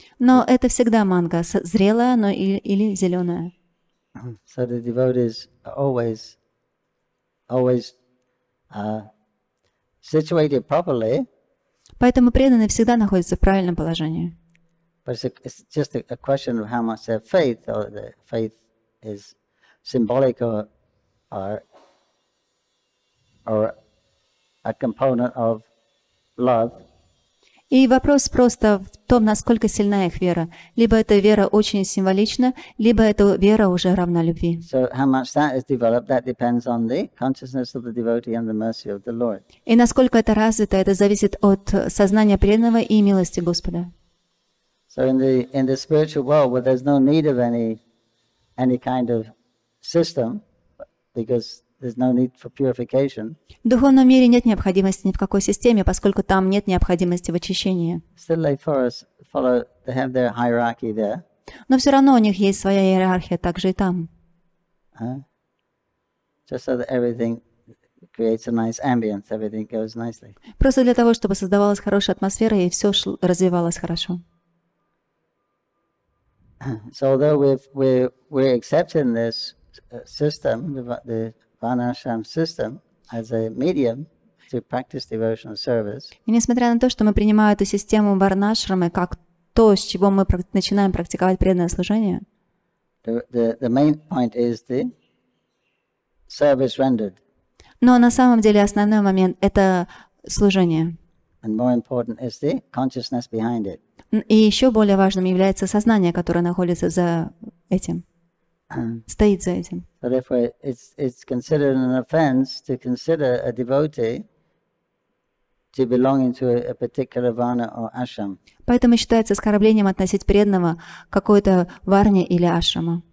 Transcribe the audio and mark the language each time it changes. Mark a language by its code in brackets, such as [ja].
[ru] Но это всегда манго, зрелая, но или зеленая. [en] So the devotees are always situated properly. [ru] Поэтому преданные всегда находятся в правильном положении. [en] But it's just a question of how much their faith, or the faith is symbolic or a component of love. [ru] И вопрос просто в том, насколько сильна их вера. Либо эта вера очень символична, либо эта вера уже равна любви. [en] So how much that is developed, that depends on the consciousness of the devotee and the mercy of the Lord. [ru] И насколько это развито, это зависит от сознания преданного и милости Господа. [en] So in the spiritual world, where there's no need of any any kind of system, because there's no need for purification. [ru] В духовном мире нет необходимости ни в какой системе, поскольку там нет необходимости в очищении. [en] Still, they follow, they have their hierarchy there. [ru] Но все равно у них есть своя иерархия, также и там. [en] Just so that everything creates a nice ambience, everything goes nicely. [ru] Просто для того, чтобы создавалась хорошая атмосфера и все развивалось хорошо. [en] So although we're accepting this system, the Vanashram system, as a medium to practice devotional service. [ru] И несмотря на то, что мы принимаем эту систему Варнашрамы как то, с чего мы начинаем практиковать преданное служение. [en] The main point is the service rendered. [ru] Но на самом деле основной момент – это служение. [en] And more important is the consciousness behind it. [ru] И еще более важным является сознание, которое находится за этим, стоит за этим. [en] So therefore, it's considered an offense to consider a devotee to belong to a particular varna or ashram. [ru] Поэтому считается оскорблением относить преданного к какой-то варне или ашраму.